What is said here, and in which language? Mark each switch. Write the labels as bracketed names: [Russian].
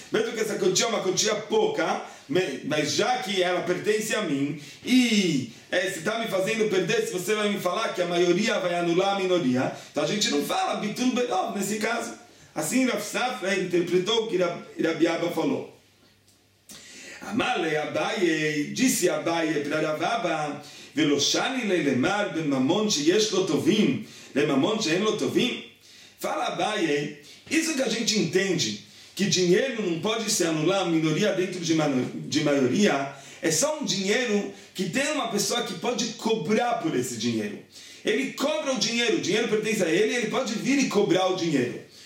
[Portuguese] Mesmo que essa quantia é uma quantia pouca, mas já que ela pertence a mim, e você está me fazendo perder, se você vai me falar que a maioria vai anular a minoria, então a gente não fala bitul berov nesse caso. Assim Rav Safra interpretou o que Rabi Abba falou. [Hebrew] אמר אביי, ג'יסי אביי, בן רב אבא, ולא שני ללמד בממון שיש לו טובים, לממון שאין לו טובים. [Portuguese] Fala Baie, isso que a gente entende, que dinheiro não pode se anular, minoria dentro de maioria, é só um dinheiro que tem uma pessoa que pode cobrar por esse dinheiro. Ele cobra o dinheiro pertence a ele, ele pode vir e cobrar o dinheiro.